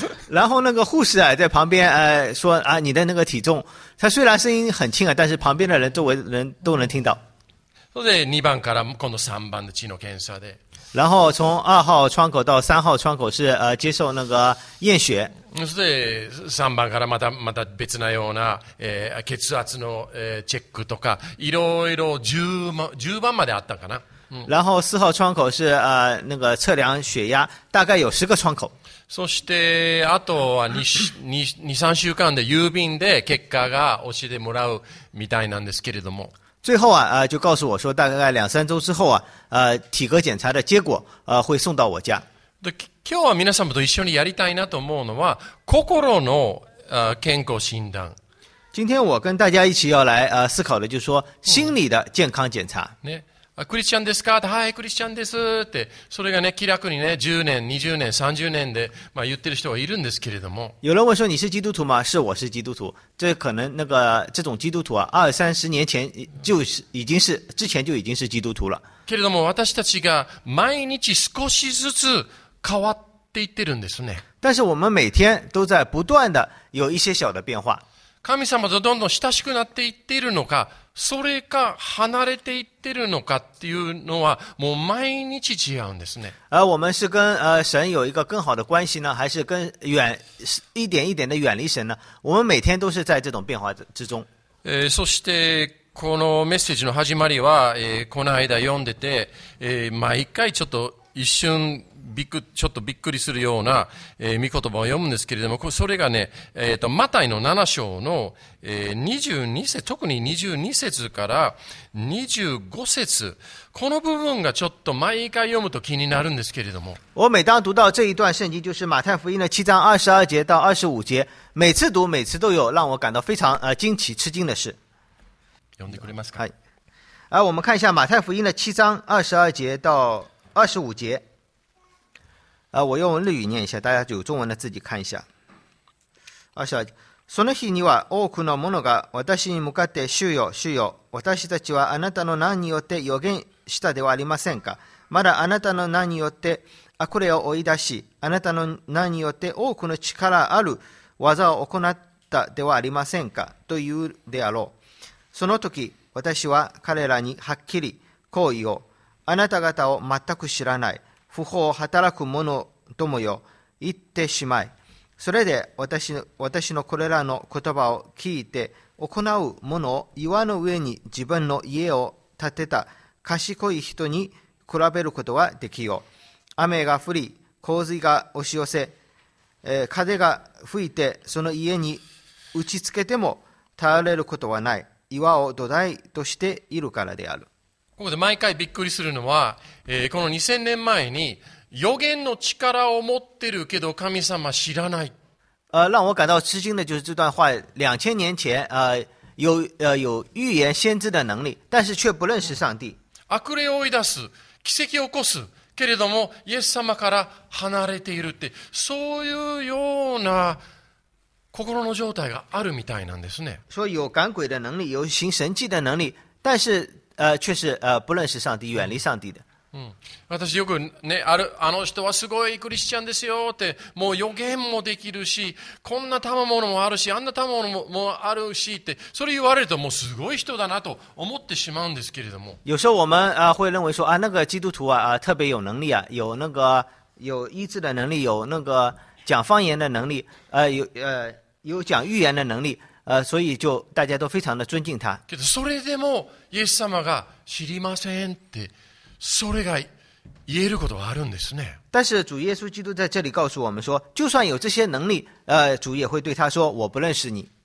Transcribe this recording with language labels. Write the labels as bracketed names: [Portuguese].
[Chinese] 然后那个护士啊在旁边说啊你的那个体重，他虽然声音很轻啊，但是旁边的人周围人都能听到。 [Japanese] それで2番から今度3番の血の検査で。 [Chinese] 然后从二号窗口到三号窗口是接受那个验血。 [Japanese] そして三番からまた別なような、血圧の、チェックとかいろいろ10番まであったかな。 [Chinese] 然后四号窗口是那个测量血压，大概有10个窗口。 [Japanese] そしてあとは2、3週間で郵便で結果が教えてもらうみたいなんですけれども。 [Chinese] 最后啊，就告诉我说，大概两三周之后啊，体格检查的结果，会送到我家。 [Japanese] で、今日は皆様と一緒にやりたいなと思うのは、心の健康診断。 [Chinese] 今天我跟大家一起要来思考的，就是说心理的健康检查。 [Japanese] ね、クリスチャンですか？はい、クリスチャンですって、それがね、気楽にね、10年、20年、30年で、まあ言ってる人はいるんですけれども。 [Chinese] 有人问说你是基督徒吗？是，我是基督徒。这可能那个这种基督徒啊，二三十年前就是已经是之前就已经是基督徒了。 [Japanese] けれども私たちが毎日少しずつ変わっていってるんですね。 [Chinese] 但是我们每天都在不断的有一些小的变化。 [Japanese] 神様とどんどん親しくなっていっているのか、それか離れていってるのかっていうのはもう毎日違うんですね。 [Chinese] 我们是跟神有一个更好的关系呢，还是跟远一点一点的远离神呢？我们每天都是在这种变化之中。 [Japanese] そしてこのメッセージの始まりは、この間読んでて、毎回ちょっと一瞬ちょっとびっくりするような、御言葉を読むんですけれども、それがね、マタイの7章の、22節、特に22節から25節、この部分がちょっと毎回読むと気になるんですけれども。 [Chinese] 我每当读到这一段圣经、就是 [Japanese] マタイ福音の7章22節 [Chinese] 到25節、每次读、每次都有让我感到非常、惊奇、吃惊的事。 [Japanese] 読んでくれますか？はい。 [Chinese] 我们看一下 [Japanese] マタイ福音の7章22節 [Chinese] 到25節。我用日语念一下、大家就中文的自己看一下。 [Japanese] その日には多くの者が私に向かって主よ、主よ、私たちはあなたの名によって予言したではありませんか。まだあなたの名によって悪霊を追い出し、あなたの名によって多くの力ある技を行ったではありませんか、というであろう。その時、私は彼らにはっきり行為を、あなた方を全く知らない。不法を働く者どもよ、言ってしまい。それで私のこれらの言葉を聞いて、行う者を岩の上に自分の家を建てた賢い人に比べることはできよう。雨が降り、洪水が押し寄せ、風が吹いてその家に打ちつけても、倒れることはない。岩を土台としているからである。ここで毎回びっくりするのは、この2000年前に預言の力を持ってるけど神様知らない。 [Chinese] 让我感到吃惊的就是这段话，2000年前有预言先知的能力，但是却不认识上帝。 [Japanese] 悪霊を追い出す、奇跡を起こすけれども、イエス様から離れているって、そういうような心の状態があるみたいなんですね。 [Chinese] 所以有赶鬼的能力，有行神迹的能力，但是却是不认识上帝，远离上帝的。 [Japanese] 私よくね、ある、あの人はすごいクリスチャンですよって、もう予言もできるし、こんな賜物もあるし、あんな賜物もあるしって、それ言われるともうすごい人だなと思ってしまうんですけれども。 [Chinese] 有时候我们会认为说啊，那个基督徒啊特别有能力啊，有那个有医治的能力，有那个讲方言的能力，有讲预言的能力，所以就大家都非常的尊敬他。 [Japanese] けどそれでもイエス様が知りませんって。それが言えることがあるんですね。 [Chinese] 但是主耶稣基督在这里告诉我们说，就算有这些能力，主也会对他说，我不认识你。